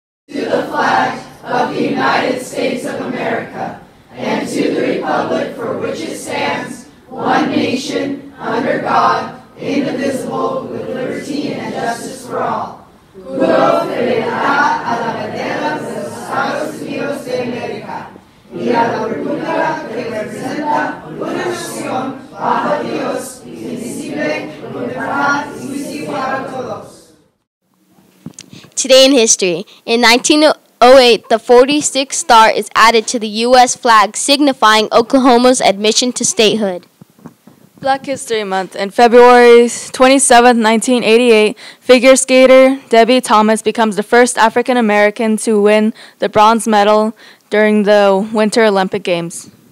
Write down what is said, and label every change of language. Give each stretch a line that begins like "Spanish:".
English: To the flag of the United States of America, and to the republic for which it stands, one nation, under God, indivisible, with liberty and justice for all.
Spanish: Juro fidelidad a la bandera de los Estados Unidos de America. Y a la república que representa una nación bajo Dios, invisible, con libertad y justicia para todos.
English: Today in history, in 1908, the 46th star is added to the U.S. flag, signifying Oklahoma's admission to statehood. Black History Month. In February 27, 1988, figure skater Debbie Thomas becomes the first African-American to win the bronze medal during the Winter Olympic Games.